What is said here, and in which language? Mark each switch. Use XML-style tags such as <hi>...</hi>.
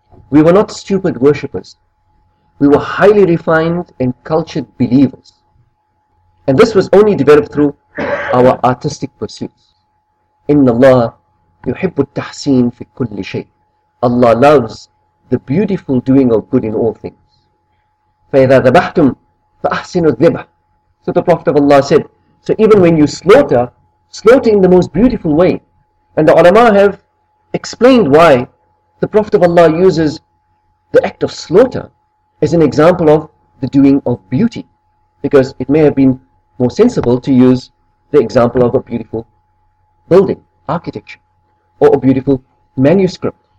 <en>We were not stupid worshippers. We were highly refined and cultured believers. And this was only developed through our artistic pursuits.</en> <ar>Inna Allah يحب التحسين في كل شيء.</ar> <en>Allah loves the beautiful doing of good in all things.</en> <ar>فإذا ذبحتم فأحسنوا الذبح.</ar> <en>So the Prophet of Allah said, so even when you slaughter, slaughter in the most beautiful way. And the ulama have explained why the Prophet of Allah uses the act of slaughter as an example of the doing of beauty. Because it may have been more sensible to use the example of a beautiful building, architecture, or a beautiful manuscript.</en>